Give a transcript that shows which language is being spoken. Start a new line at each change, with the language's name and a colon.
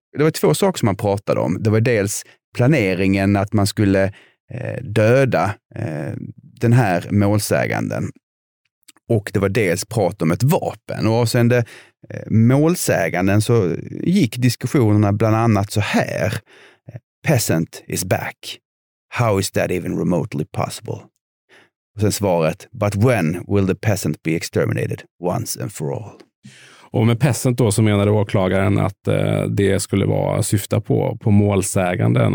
Swedish: Det var två saker som man pratade om. Det var dels planeringen att man skulle döda den här målsäganden. Och det var dels prat om ett vapen. Och avseende målsäganden så gick diskussionerna bland annat så här.
English: Peasant is back. How is that even remotely possible?
Swedish: Och sen svaret,
English: but when will the peasant be exterminated once and for all?
Swedish: Och med peasant då så menade åklagaren att det skulle vara syfta på målsäganden.